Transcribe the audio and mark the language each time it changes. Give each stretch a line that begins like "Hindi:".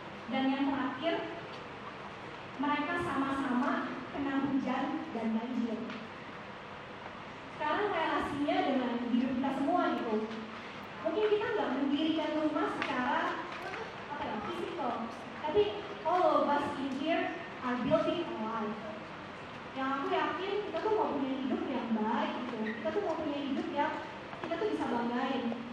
Indonesian: Dan yang terakhir, mereka sama-sama kena hujan dan banjir. Sekarang relasinya dengan hidup kita semua gitu. Mungkin kita gak mendirikan rumah secara apa ya, fisikal.
English: Tapi all of us in here are building a life.
Indonesian: Yang aku yakin kita tuh mau punya hidup yang baik gitu. Kita tuh mau punya hidup yang kita tuh bisa banggain.